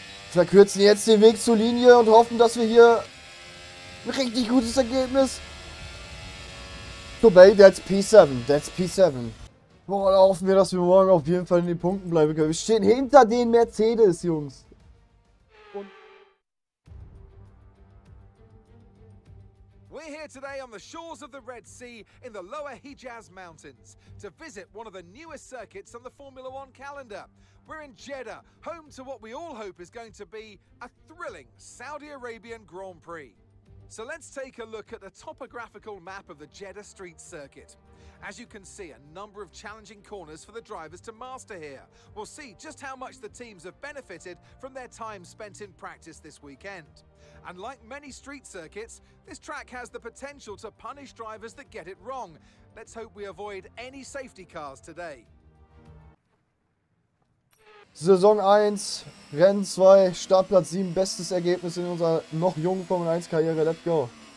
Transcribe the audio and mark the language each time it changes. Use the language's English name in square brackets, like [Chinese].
[German] Verkürzen jetzt den Weg zur Linie und hoffen, dass wir hier ein richtig gutes Ergebnis. Tobey, [English] that's P7. That's P7. [German] Boah, hoffen wir, dass wir morgen auf jeden Fall in den Punkten bleiben können. Wir stehen hinter den Mercedes, Jungs. [English] We're here today on the shores of the Red Sea in the Lower Hejaz Mountains to visit one of the newest circuits on the Formula One calendar. We're in Jeddah, home to what we all hope is going to be a thrilling Saudi Arabian Grand Prix. So let's take a look at the topographical map of the Jeddah Street Circuit. As you can see, a number of challenging corners for the drivers to master here. We'll see just how much the teams have benefited from their time spent in practice this weekend. And like many street circuits, this track has the potential to punish drivers that get it wrong. Let's hope we avoid any safety cars today. [German] Saison 1, Rennen 2, Startplatz 7, bestes Ergebnis in unserer noch jungen Formel 1 Karriere. [English] Let's go!